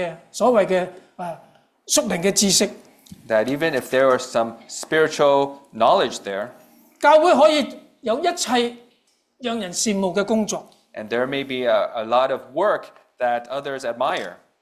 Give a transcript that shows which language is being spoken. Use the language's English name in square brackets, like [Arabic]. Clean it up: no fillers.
[Chinese] 儘管在教會的外面有屬靈的所謂的屬靈的知識, [English] that even if there are some spiritual knowledge there, [Chinese] 教會可以有一切讓人羨慕的工作, [English] and there may be a lot of work that others admire,